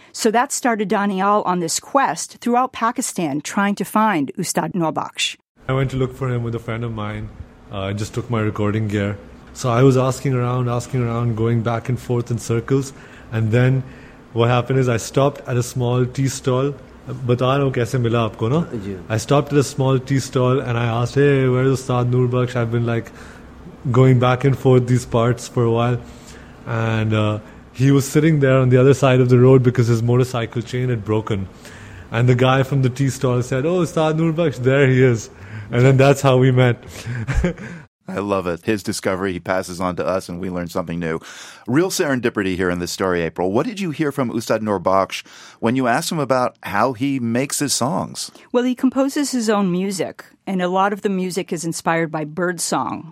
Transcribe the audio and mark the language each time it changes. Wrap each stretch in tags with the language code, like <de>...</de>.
<en>So that started Danial on this quest throughout Pakistan trying to find Ustad Noorbakhsh. I went to look for him with a friend of mine. I just took my recording gear. So I was asking around, going back and forth in circles. And then what happened is I stopped at a small tea stall</en> <hi>बता रहा हूँ कैसे मिला आपको ना.</hi> <en>I stopped at a small tea stall and I asked hey where is Ustad Nurbakhsh. I have been like going back and forth these parts for a while and he was sitting there on the other side of the road because his motorcycle chain had broken and the guy from the tea stall said oh Ustad Nurbakhsh there he is and then that's how we met. I love it. His discovery, he passes on to us and we learn something new. Real serendipity here in this story, April. What did you hear from Ustad Nurbakhsh when you asked him about how he makes his songs? Well, he composes his own music, and a lot of the music is inspired by birdsong.</en>